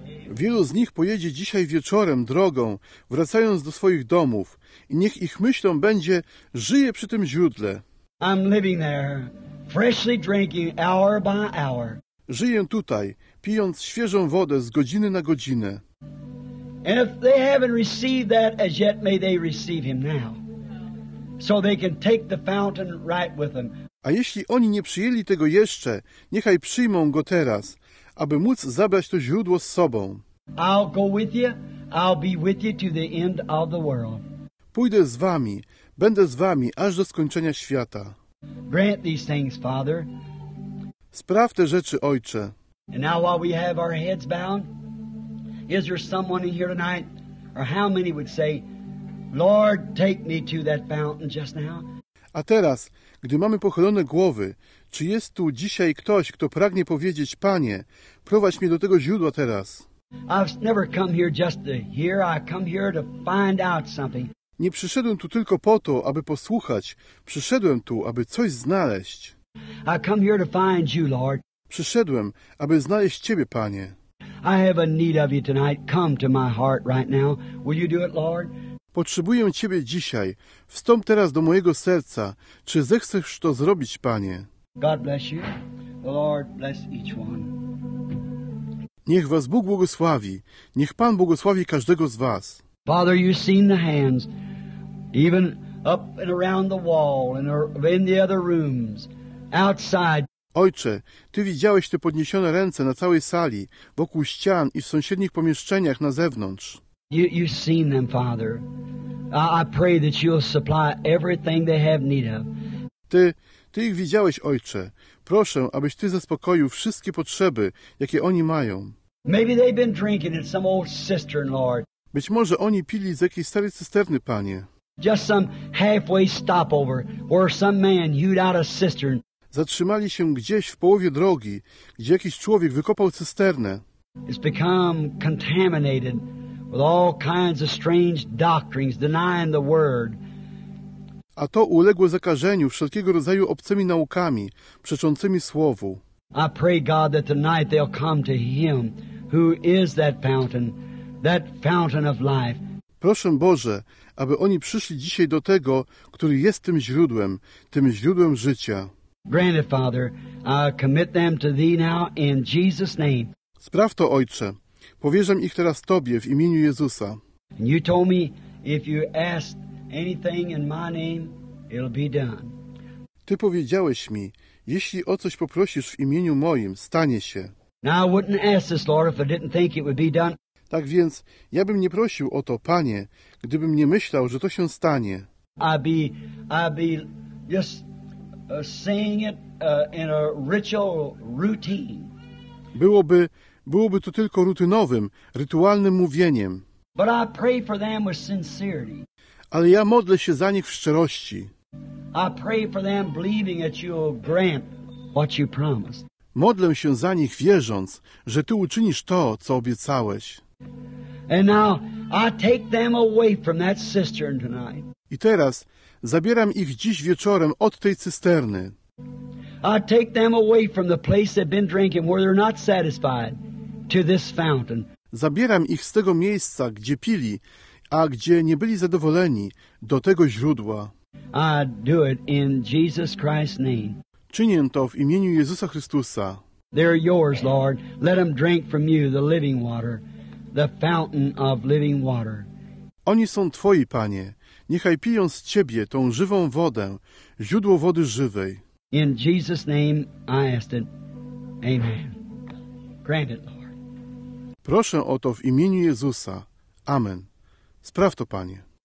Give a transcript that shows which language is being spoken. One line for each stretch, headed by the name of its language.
Polish: Wielu z nich pojedzie dzisiaj wieczorem drogą, wracając do swoich domów i niech ich myślą będzie, żyję przy tym źródle.
English: I'm living there, freshly drinking hour by hour.
Polish: Żyję tutaj, pijąc świeżą wodę z godziny na godzinę.
English: And if they haven't received that as yet, may they receive him now. So they can take the fountain right with them.
Polish: A jeśli oni nie przyjęli tego jeszcze, niechaj przyjmą go teraz, aby móc zabrać to źródło z sobą.
English: I'll go with you. I'll be with you to the end of the world.
Polish: Pójdę z wami. Będę z wami aż do skończenia świata.
English: Grant these things, Father.
Polish: Spraw te rzeczy, Ojcze.
English: And now while we have our heads bound, is there someone in here tonight, or how many would say, Lord, take me to that fountain just now?
Polish: A teraz, gdy mamy pochylone głowy, czy jest tu dzisiaj ktoś, kto pragnie powiedzieć, Panie, prowadź mnie do tego źródła teraz?
English: I've never come here just to hear, I come here to find out something.
Polish: Nie przyszedłem tu tylko po to, aby posłuchać, przyszedłem tu, aby coś znaleźć.
English: I come here to find you, Lord.
Polish: Przyszedłem, aby znaleźć Ciebie, Panie.
English: I have a need of you tonight. Come to my heart right now. Will you do it, Lord?
Polish: Potrzebuję Ciebie dzisiaj. Wstąp teraz do mojego serca. Czy zechcesz to zrobić, Panie?
English: God bless you. The Lord bless each one.
Polish: Niech Was Bóg błogosławi. Niech Pan błogosławi każdego z Was.
English: Father, you've seen the hands, even up and around the wall and in the other rooms, outside.
Polish: Ojcze, Ty widziałeś te podniesione ręce na całej sali, wokół ścian i w sąsiednich pomieszczeniach na zewnątrz.
English: You've seen them, Father. I pray that you'll supply everything they have need of.
Polish: Ty ich widziałeś, Ojcze. Proszę, abyś Ty zaspokoił wszystkie potrzeby, jakie oni mają.
English: Maybe they've been drinking in some old cistern, Lord.
Polish: Być może oni pili z jakiejś starej cysterny, Panie.
English: Just some halfway stopover where some man hewed out a cistern.
Polish: Zatrzymali się gdzieś w połowie drogi, gdzie jakiś człowiek wykopał cysternę.
English: It's become contaminated with all kinds of strange doctrines, denying the word.
Polish: A to uległo zakażeniu wszelkiego rodzaju obcymi naukami, przeczącymi słowu.
English: I pray God that tonight they'll come to him who is that fountain of life.
Polish: Proszę Boże, aby oni przyszli dzisiaj do tego, który jest tym źródłem życia.
English: Granted, Father, I commit them to Thee now in Jesus' name.
Polish: Spraw to, Ojcze. Powierzam ich teraz Tobie w imieniu Jezusa.
English: And you told me if you ask anything in my name, it'll be done.
Polish: Ty powiedziałeś mi, jeśli o coś poprosisz w imieniu moim, stanie się.
English: Now I wouldn't ask this, Lord, if I didn't think it would be done.
Polish: Tak więc, ja bym nie prosił o to, Panie, gdybym nie myślał, że to się stanie.
English: I'd be just saying it in a ritual routine.
Polish: Byłoby to tylko rutynowym, rytualnym mówieniem.
English: But I pray for them with sincerity.
Polish: Ale ja modlę się za nich w szczerości.
English: I pray for them believing that you'll grant what you promised.
Polish: Modlę się za nich wierząc, że Ty uczynisz to, co obiecałeś.
English: And now I take them away from that cistern tonight.
Polish: I teraz zabieram ich dziś wieczorem od tej cysterny.
English: I take them away from the place they've been drinking where they're not satisfied to this fountain.
Polish: Zabieram ich z tego miejsca, gdzie pili, a gdzie nie byli zadowoleni, do tego źródła.
English: I do it in Jesus Christ's name.
Polish: Czynię to w imieniu Jezusa Chrystusa.
English: They're yours, Lord. Let them drink from you the living water, the fountain of living water.
Polish: Oni są Twoi, Panie. Niechaj piją z Ciebie tą żywą wodę, źródło wody żywej.
English: In Jesus' name I ask it. Amen. Grant it, Lord.
Polish: Proszę o to w imieniu Jezusa. Amen. Spraw to, Panie.